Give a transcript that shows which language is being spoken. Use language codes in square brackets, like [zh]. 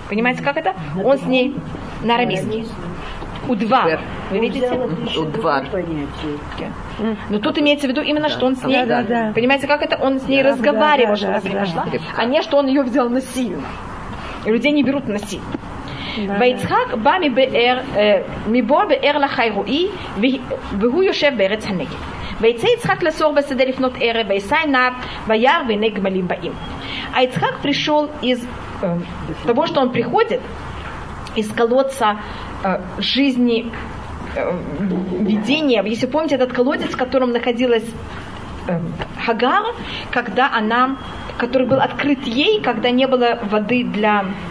[ru] Понимаете, как это? Он с ней на арамейском. Удвар. Вы видите? Удвар. Но тут имеется в виду именно, что он с ней... Понимаете, как это? Он с ней разговаривал, что она пришла, а не, что он ее взял насильно. Людей не берут насильно. [he] ויצחק בא מבוא באר לחי רועי והוא יושב בארץ הנגב. ויצא יצחק לסור בשדה לפנות ערב וישא עיניו וירא והנה גמלים באים. [yi] היצחק פרישול איז [ru] того, что он приходит из колодца жизни видения. Если помните этот колодец, в котором находилась Хагар, когда она который был открыт ей, когда не было воды для...